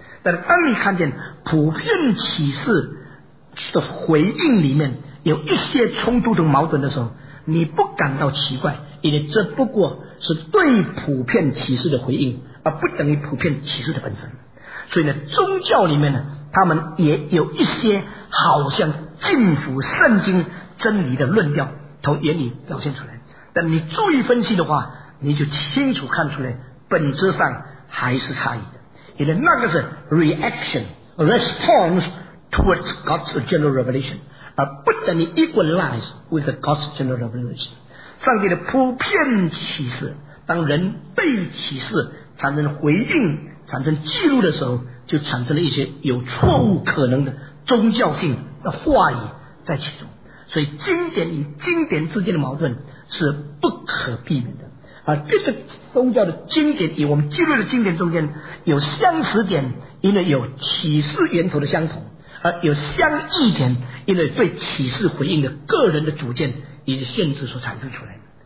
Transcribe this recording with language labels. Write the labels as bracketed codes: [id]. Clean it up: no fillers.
[zh] 但是当你看见普遍启示的回应里面有一些冲突的矛盾的时候，你不感到奇怪，因为这不过是对普遍启示的回应，而不等于普遍启示的本身。所以呢，宗教里面呢，他们也有一些好像近乎圣经真理的论调从眼里表现出来，但你注意分析的话，你就清楚看出来本质上还是差异的。 [en] 因为那个是 reaction response towards God's general revelation，而不等于 equalize with God's general revelation。 [zh] 上帝的普遍启示，当人被启示产生回应、产生记录的时候，就产生了一些有错误可能的宗教性的话语在其中。所以经典与经典之间的矛盾是不可避免的，而这个宗教的经典与我们记录的经典中间有相似点，因为有启示源头的相同，而有相异点，因为对启示回应的个人的主见以及限制所产生出来。